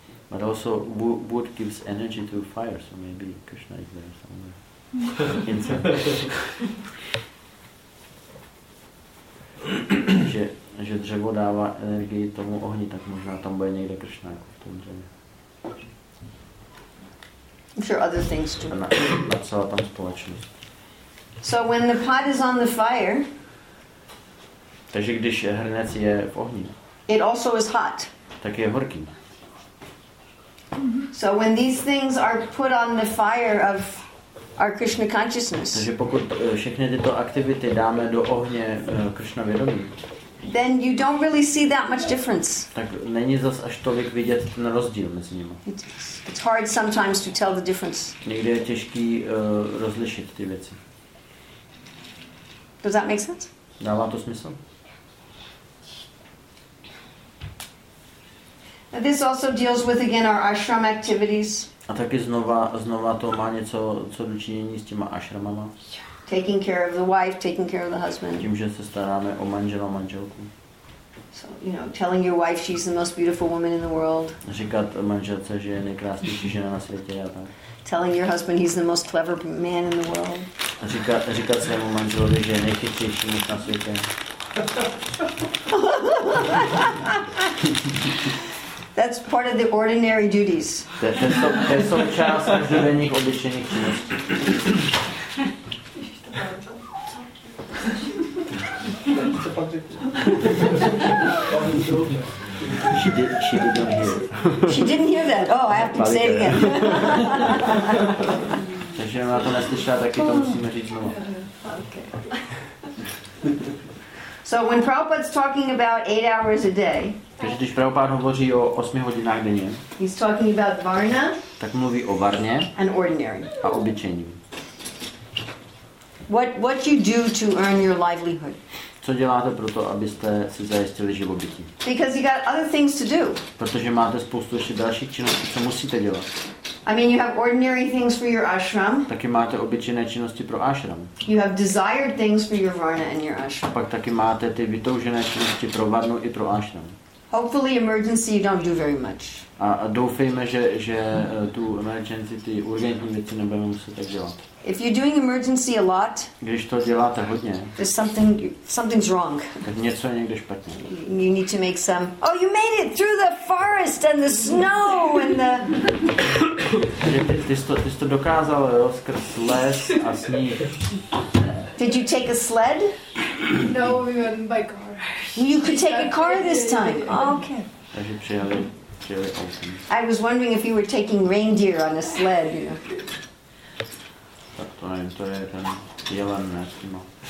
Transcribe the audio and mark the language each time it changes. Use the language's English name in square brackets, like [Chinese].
[English] But also, wood gives energy to fire, so maybe Krishna is there somewhere. [Czech] Že dřevo dává energii tomu ohni, tak možná tam bude někde Krishna jako v tom dřevě. [English] I'm sure other things too. [Czech] Na celá tam společnost. [English] So when the pot is on the fire. [Czech] Takže když hrnec je v ohni. [English] It also is hot. [Czech] Také je horký. [English] So when these things are put on the fire of our Krishna consciousness. [Czech] Takže pokud všechny tyto aktivity dáme do ohně Krishna vědomí. [English] Then you don't really see that much difference. [Czech] Tak není zas až tolik vidět ten rozdíl mezi nimi. [English] It's hard sometimes to tell the difference. [Czech] Někdy je těžký rozlišit ty věci. [English] Does that make sense? [Czech] Dává to smysl? [English] This also deals with again our ashram activities. [Czech] A taky znova to má něco co dočinění s těma ashramama. [English] Taking care of the wife, taking care of the husband. [Czech] Tím, že se staráme o manžela, manželku. [English] So, you know, telling your wife she's the most beautiful woman in the world. [Czech] Říkat manželce, že je nejkrásnější žena na světě a tak. [English] Telling your husband he's the most clever man in the world. [Czech] Říkat svému manželovi, že je nejchytřejší muž na světě. [English] That's part of the ordinary duties. [Czech] To je část každodenních obyčejných činností. [English] She didn't hear that. Oh, I have to say it again. [Czech] Takže ona to neslyšela, taky to musíme říct znovu. [English] So when Prabhupada's talking about 8 hours a day. [Czech] Takže když Prabhupada hovoří o 8 hodinách denně. [English] He's talking about varna. [Czech] Tak mluví o varně. [English] And ordinary. [Czech] A obyčejním. [English] What you do to earn your livelihood? [Czech] Co děláte pro to, abyste si zajistili živobytí? [English] Because you got other things to do. [Czech] Protože máte spoustu ještě dalších činností, co musíte dělat. [English] I mean, you have ordinary things for your ashram. [Czech] Taky máte obyčejné činnosti pro ashram. [English] You have desired things for your varna and your ashram. [Czech] A pak taky máte ty vytoužené činnosti pro varnu i pro ashram. [English] Hopefully, emergency you don't do very much. [Czech] A doufejme, že tu emergency, ty urgentní věci nebudeme muset tak dělat. [English] If you're doing emergency a lot, [Czech] když to děláte hodně, [English] there's something's wrong. [Czech] Tak něco je někde špatně. [English] You need to make some. Oh, you made it through the forest and the snow and the. [Czech] Ty jsi to dokázal, jo, skrz les a sníh. [English] Did you take a sled? No, we went by car. You could take a car this time. Oh, okay. [Czech] Takže přijeli autem. [English] I was wondering if you were taking reindeer on a sled, you know. [Czech] Tak to nevím, to je ten jelen, ne, s týma.